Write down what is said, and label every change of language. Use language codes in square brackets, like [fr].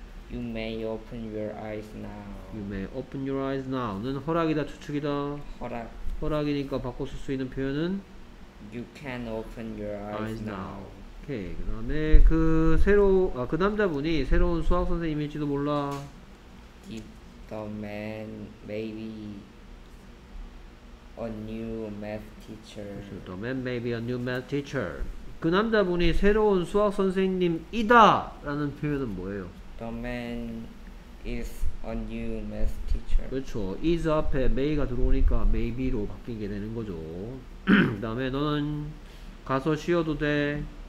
[en] You may open your eyes now. You may open your eyes now. [ko] 는 허락이다, 추측이다? 허락. 허락이니까 바꿔 쓸 수 있는 표현은 [en] You can open your eyes now. [ko] 오케이. 그 다음에 그 새로 아 그 남자분이 새로운 수학 선생님일지도 몰라. [en] If the man maybe a new math teacher. The man maybe a new math teacher. [ko] 그 남자분이 새로운 수학 선생님이다 라는 표현은 뭐예요? [en] The man is a new math teacher. [ko] 그렇죠. is 앞에 may가 들어오니까 maybe로 바뀌게 되는 거죠. 그 다음에 너는 가서 쉬어도 돼.